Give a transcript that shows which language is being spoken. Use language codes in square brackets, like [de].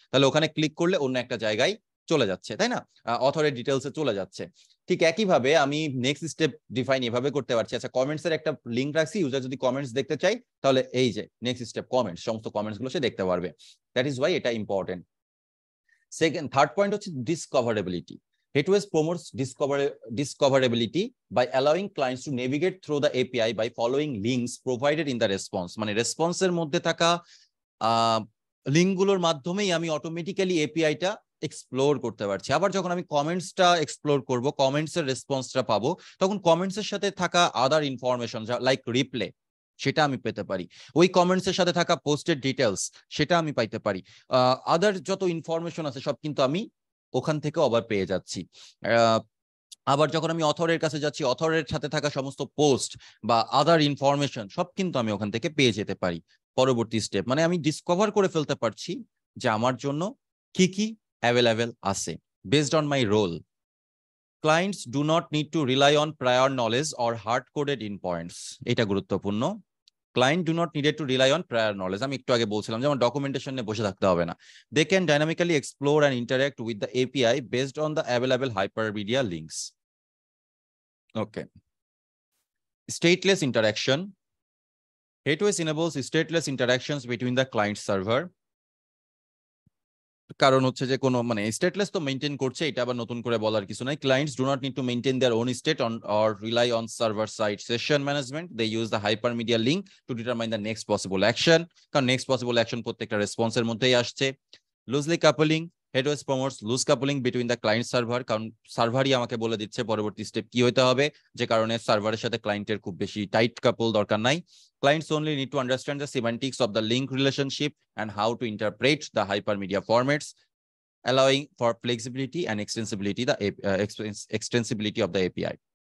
[bn] তাহলে ওখানে ক্লিক করলে অন্য একটা জায়গায় চলে যাচ্ছে, তাই না? অথরের ডিটেলসে চলে যাচ্ছে। ঠিক একইভাবে আমি নেক্সট স্টেপ ডিফাইন এভাবে করতে পারছি। আচ্ছা, কমেন্টসের একটা লিঙ্ক রাখছি, ইউজার যদি কমেন্টস দেখতে চাই তাহলে এই যে নেক্সট স্টেপ কমেন্টস, সমস্ত কমেন্টসগুলো সে দেখতে পারবে। [en] that is why [bn] এটা ইম্পর্টেন্ট। সেকেন্ড, থার্ড পয়েন্ট হচ্ছে ডিসকভারেবিলিটি। [en] Hateoas promotes discoverability by allowing clients to navigate through the API by following links provided in the response. [bn] মানে রেসপন্সের মধ্যে থাকা লিঙ্কগুলোর মাধ্যমেই আমি অটোমেটিক্যালি এপিআইটা এক্সপ্লোর করতে পারছি। আবার যখন আমি কমেন্টসটা এক্সপ্লোর করব, কমেন্টসের রেসপন্সটা পাবো, তখন কমেন্টসের সাথে থাকা আদার ইনফরমেশন লাইক রিপ্লে সেটা আমি পেতে পারি, ওই কমেন্টসের সাথে থাকা পোস্টের ডিটেলস সেটা আমি পাইতে পারি, আদার যত ইনফরমেশন আছে সব কিন্তু আমি ওখান থেকে আবার পেয়ে যাচ্ছি। আবার যখন আমি অথরের কাছে যাচ্ছি, অথরের সাথে থাকা সমস্ত পোস্ট বা আদার ইনফরমেশন সব কিন্তু আমি ওখান থেকে পেয়ে যেতে পারি। পরবর্তী স্টেপ, মানে আমি ডিসকভার করে ফেলতে পারছি যে আমার জন্য কি কি অ্যাভেলেবেল আছে [en] Based on my role. Clients do not need to rely on prior knowledge or hard coded endpoints, [bn] এটা গুরুত্বপূর্ণ। [en] client do not needed to rely on prior knowledge, [bn] আমি একটু আগে বলছিলাম যে আমার ডকুমেন্টেশন নিয়ে বসে থাকতে হবে না। [en] They can dynamically explore and interact with the API based on the available hypermedia links. Okay, stateless interaction, Hateoas enables stateless interactions between the client server. [bn] কারণ হচ্ছে যে কোনো মানে স্টেটলেস তো মেনটেন করছে, এটা আবার নতুন করে বলার কিছু নাই। [en] clients do not need to maintain their own state on or rely on server side session management, they use the hyper media link to determine the next possible action, [bn] কারণ নেক্সট পসিবল অ্যাকশন প্রত্যেকটা রেসপন্সের মধ্যেই আসছে। [en] loosely coupling, Hateoas promotes loose coupling between the client server, [bn] কারণ সার্ভারই আমাকে বলে দিচ্ছে পরবর্তী step কি হতে হবে, যে কারণে সার্ভারের সাথে ক্লায়েন্টের খুব বেশি টাইট কাপল দরকার নাই। [en] Clients only need to understand the semantics of the link relationship and how to interpret the hypermedia formats, allowing for flexibility and extensibility, the extensibility of the API.